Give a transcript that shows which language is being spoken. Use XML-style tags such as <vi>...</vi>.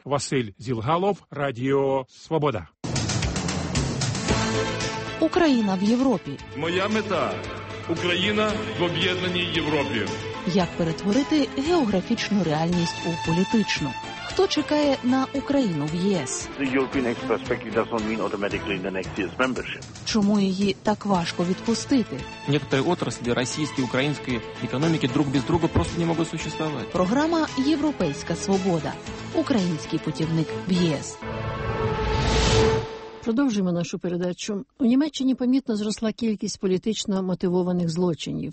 <uk>Василь Зілгалов, Радіо Свобода. Україна в Європі. Моя мета – Україна в об'єднаній Європі. Як перетворити географічну реальність у політичну? Хто чекає на Україну в ЄС?</uk> <en>The European perspective doesn't mean automatically the next year's membership.</en> <uk>Чому її так важко відпустити? Некоторі отраслі російської та української економіки друг без друга просто не можуть существувати. Програма «Європейська свобода». Український путівник в ЄС. Продовжуємо нашу передачу. У Німеччині помітно зросла кількість політично мотивованих злочинів.</uk>